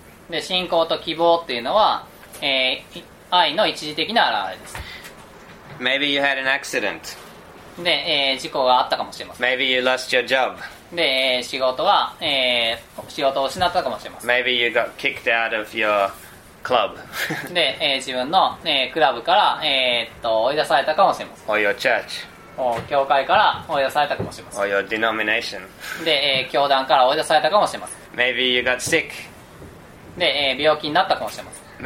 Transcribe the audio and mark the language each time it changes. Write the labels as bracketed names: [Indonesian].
[Japanese] で、信仰と希望っていうのは、愛の一時的な表れです。 [English] Maybe you had an accident. [Japanese] で、事故があったかもしれません。 [English] Maybe you lost your job. [Japanese] で、仕事は、仕事を失ったかもしれません。 [English] Maybe you got kicked out of your club. [Japanese] で、自分の、クラブから、追い出されたかもしれません。 [English] Or your church. [Japanese] 教会から追い出されたかもしれません。 [English] Or your denomination. [Japanese] で、教団から追い出されたかもしれません。 [English] Maybe you got sick. [Japanese] で、病気になったかもしれません。